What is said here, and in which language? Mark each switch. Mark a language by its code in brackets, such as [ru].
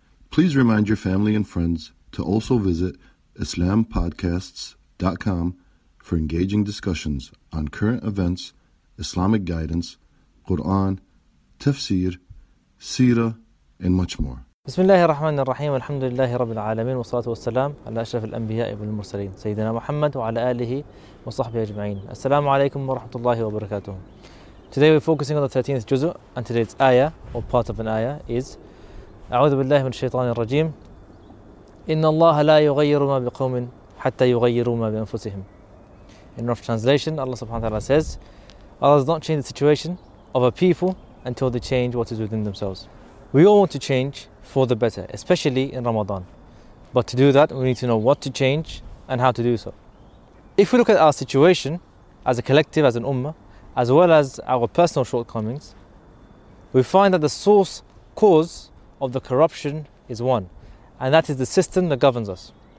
[en] Please remind your family and friends to also visit IslamPodcasts.com for engaging discussions on current events, Islamic guidance, Quran, tafsir, seerah, and much more. [ar] بسم الله الرحمن الرحيم الحمد لله رب العالمين والصلاة والسلام على أشرف الأنبياء والمرسلين سيدنا محمد وعلى آله وصحبه أجمعين السلام عليكم ورحمة الله وبركاته. [en] Today we're focusing on the 13th juzu, and today's ayah or part of an ayah is [ar] أعوذ بالله من الشيطان الرجيم إن الله لا يغير ما بقوم حتى يغيروا ما بأنفسهم. [en] In rough translation, Allah subhanahu wa ta'ala says, Allah does not change the situation of a people until they change what is within themselves. We all want to change for the better, especially in Ramadan. But to do that, we need to know what to change and how to do so. If we look at our situation as a collective, as an ummah, as well as our personal shortcomings, we find that the source cause of the corruption is one, and that is the system that governs us.